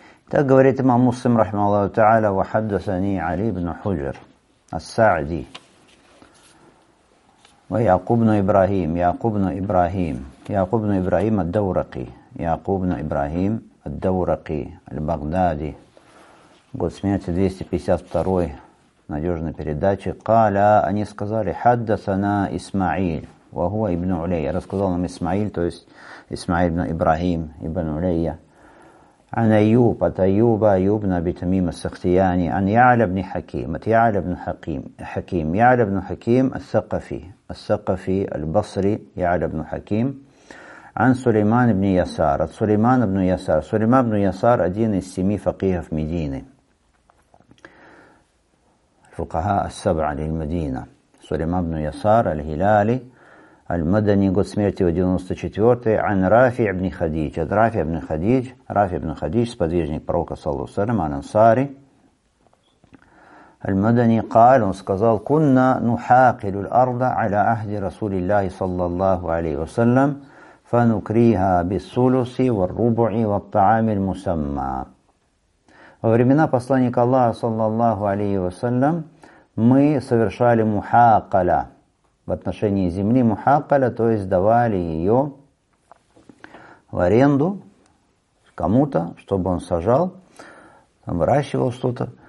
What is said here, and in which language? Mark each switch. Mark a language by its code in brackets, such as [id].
[ru] Так говорит имам Муслим [ar] رحمه الله تعالى وحدثني علي بن حجر السعدي ويعقوب بن إبراهيم الدورقي يعقوب بن إبراهيم الدورقي البغدادي [ru] год смерти 252-й, надежная передача. [ar] Каля, [ru] они сказали, [ar] хаддасана Исмаиль, вахуа ибн Улейя. [ru] Рассказал нам Исмаиль, то есть Исмаиль ибн Ибрахим, ибн Улейя. [ar] Ан Айюб, [ru] от Айюба, [ar] Айюбна, битамима сахтияни. [ru] Ан Яля ибн Хаким, от Яля ибн Хаким. Яля ибн Хаким, ас-сакафи. Ас-сакафи, аль-басри, Яля ибн Хаким. Ан Сулейман ибн Ясар, от Сулеймана ибн Ясар. Сулейман ибн Ясар, один из семи факихов Медины. [ar] فقهاء السبعة للمدينة سليمان بن يسار الهلالي المدني [ru] год смерти 94-й [ar] عن رافع بن خديج رافع بن خديج [ru] сподвижник пророка [ar] صلى الله عليه وسلم عن أنصاري المدني قال [ru] он сказал [ar] كنا نحاقل الأرض على عهد رسول الله صلى الله عليه وسلم فنكريها بالثلث والربع والطعام المسمى. [ru] Во времена посланника Аллаха صلى الله عليه وسلم мы совершали мухакаля в отношении земли, мухакаля, то есть давали ее в аренду кому-то, чтобы он сажал, выращивал что-то.